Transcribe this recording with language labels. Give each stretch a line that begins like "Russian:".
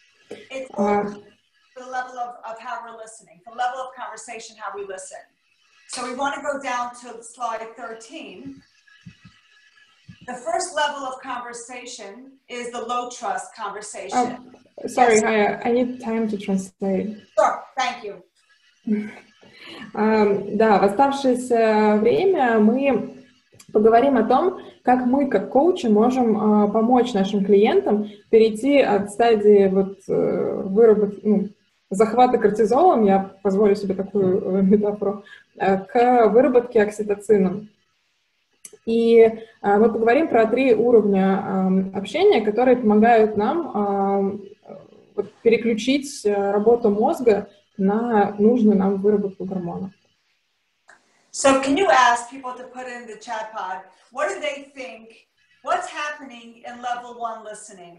English: It's the level of how we're listening, the level of conversation, how we listen. So we want to go down to slide 13. The first level of conversation is the low trust conversation. Sorry, yes. Haya, I need time to translate. Sure, thank you.
Russian: Да, в оставшееся время мы поговорим о том, как мы, как коучи, можем помочь нашим клиентам перейти от стадии вот, захвата кортизолом, я позволю себе такую метафору, к выработке окситоцина. И мы поговорим про три уровня общения, которые помогают нам переключить работу мозга на нужную нам выработку гормона.
English: So can you ask people to put in the chat pod, what do they think, what's happening in level one listening?